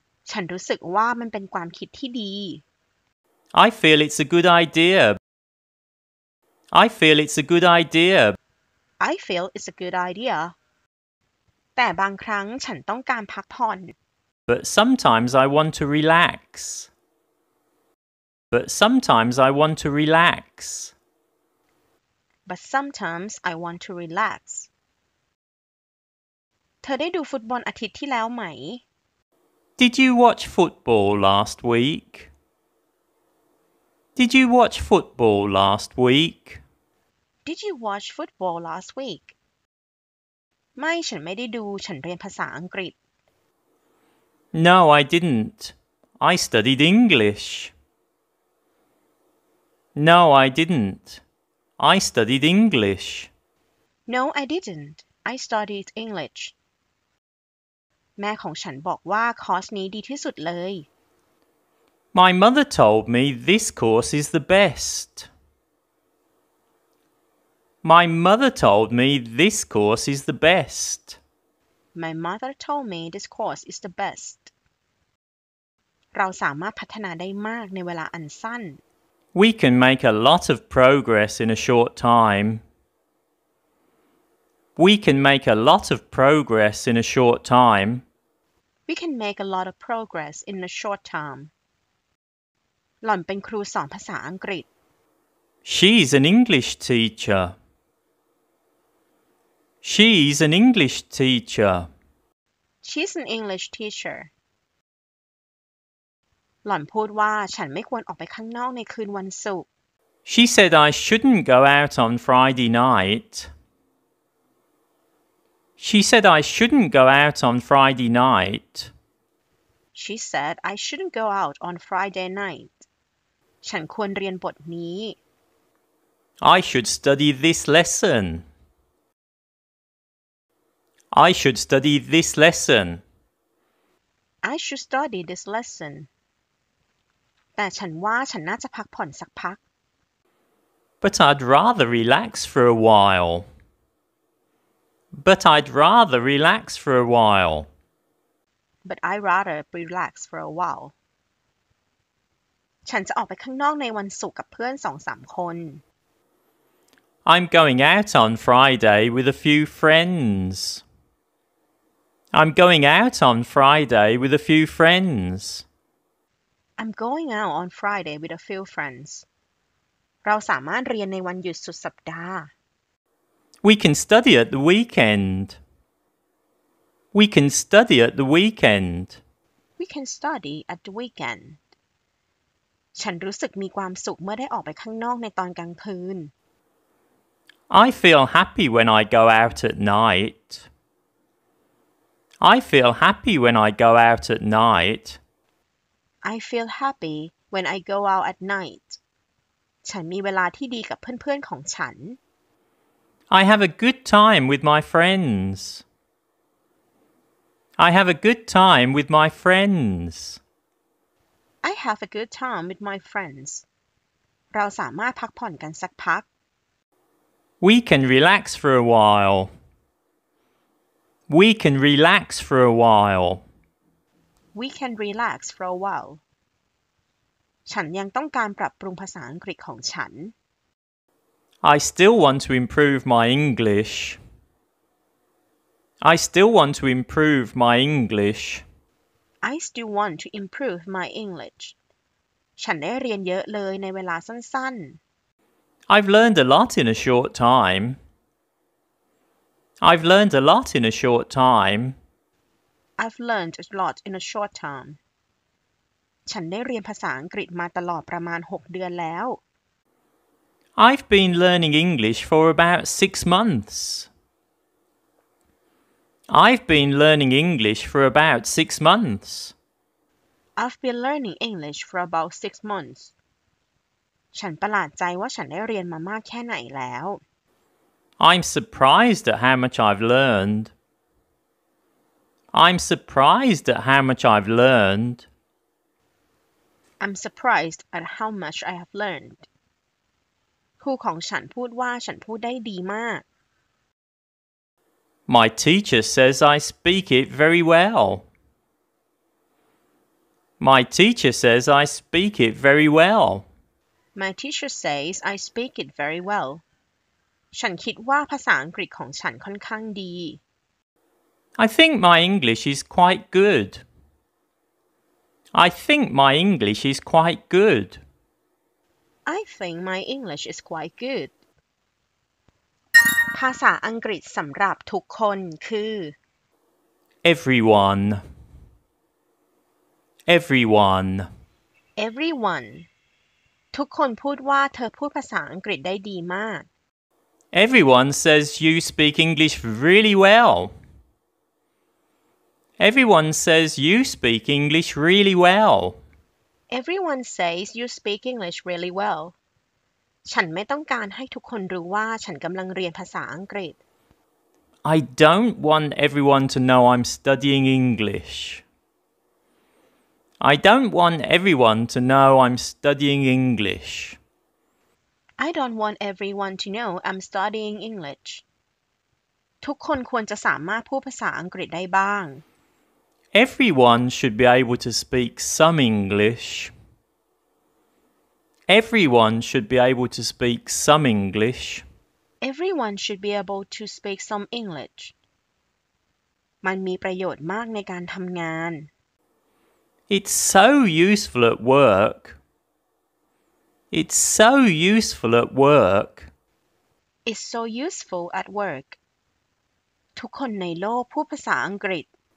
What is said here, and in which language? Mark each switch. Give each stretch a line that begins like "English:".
Thai: ฉันรู้สึกว่ามันเป็นความคิดที่ดี
English: I feel it's a good idea. I feel it's a good idea. I feel it's a good idea.
Thai: แต่บางครั้งฉันต้องการพักผ่อน
English: But sometimes I want to relax. But sometimes I want to relax. But sometimes I want to relax.
Thai: เธอได้ดูฟุตบอลอาทิตย์ที่แล้วไหม
English: Did you watch football last week? Did you watch football last week? Did you watch football last week?
Thai: ไม่ฉันไม่ได้ดูฉันเรียนภาษาอังกฤษ
English: No, I didn't. I studied English. No, I didn't. I studied English. No, I didn't. I studied English.
Thai: แม่ของฉันบอกว่าคอร์สนี้ดีที่สุดเลย
English: My mother told me this course is the best. My mother told me this course is the best. My mother told me this course is the best.
Thai: เราสามารถพัฒนาได้มากในเวลาอันสั้น
English: We can make a lot of progress in a short time. We can make a lot of progress in a short time. We can make a lot of progress in a short time.
Thai: หล่อนเป็นครูสอนภาษาอังกฤษ
English: She's an English teacher. She's an English teacher. She's an English teacher.
Thai: หล่อนพูดว่าฉันไม่ควรออกไปข้างนอกในคืนวันศุกร์
English: She said I shouldn't go out on Friday night. She said I shouldn't go out on Friday night. She said I shouldn't go out on Friday night.
Thai: ฉันควรเรียนบทนี้
English: I should study this lesson. I should study this lesson. I should study this lesson.
Thai: แต่ฉันว่าฉันน่าจะพักผ่อนสักพัก
English: But I'd rather relax for a while. But I'd rather relax for a while. But I'd rather relax for a while.
Thai: ฉันจะออกไปข้างนอกในวันศุกร์กับเพื่อนสองสามคน
English: I'm going out on Friday with a few friends. I'm going out on Friday with a few friends. I'm going out on Friday with a few friends.
Thai: เราสามารถเรียนในวันหยุดสุดสัปดาห์
English: We can study at the weekend. We can study at the weekend. We can study at the weekend.
Thai: ฉันรู้สึกมีความสุขเมื่อได้ออกไปข้างนอกในตอนกลางคืน
English: I feel happy when I go out at night. I feel happy when I go out at night. I feel happy when I go out at night.
Thai: ฉันมีเวลาที่ดีกับเพื่อนๆของฉัน
English: I have a good time with my friends. I have a good time with my friends. I have a good time with my friends.
Thai: เราสามารถพักผ่อนกันสักพัก
English: We can relax for a while. We can relax for a while. We can relax for a while.
Thai: ฉันยังต้องการปรับปรุงภาษาอังกฤษของฉัน
English: I still want to improve my English. I still want to improve my English. I still want to improve my English.
Thai: ฉันได้เรียนเยอะเลยในเวลาสั้น
English: ๆ I've learned a lot in a short time. I've learned a lot in a short time. I've learned a lot in a short time.
Thai: ฉันได้เรียนภาษาอังกฤษมาตลอดประมาณ6เดือนแล้ว
English: I've been learning English for about 6 months. I've been learning English for about 6 months. I've been learning English for about 6 months.
Thai: ฉันประหลาดใจว่าฉันได้เรียนมามากแค่ไหนแล้ว
English: I'm surprised at how much I've learned. I'm surprised at how much I've learned. I'm surprised at how much I have learned.
Thai: ครูของฉันพูดว่าฉันพูดได้ดีมาก
English: My teacher says I speak it very well. My teacher says I speak it very well. My teacher says I speak it very well.
Thai: ฉันคิดว่าภาษาอังกฤษของฉันค่อนข้างดี
English: I think my English is quite good. I think my English is quite good. I think my English is quite good.
Thai: ภาษาอังกฤษสำหรับทุกคนคือ
English: Everyone. Everyone. Everyone.
Thai: ทุกคนพูดว่าเธอพูดภาษาอังกฤษได้ดีมาก
English: Everyone says you speak English really well. Everyone says you speak English really well. Everyone says you speak English really well.
Thai: ฉันไม่ต้องการให้ทุกคนรู้ว่าฉันกำลังเรียนภาษาอังกฤษ
English: I don't want everyone to know I'm studying English. I don't want everyone to know I'm studying English. I don't want everyone to know I'm studying English.
Thai: ทุกคนควรจะสามารถพูดภาษาอังกฤษได้บ้าง
English: Everyone should be able to speak some English. Everyone should be able to speak some English. Everyone should be able to speak some English.
Thai: มันมีประโยชน์มากในการทำงาน
English: It's so useful at work. It's so useful at work. It's so useful at work.
Thai: ทุกคนในโลกพูดภาษาอังกฤษ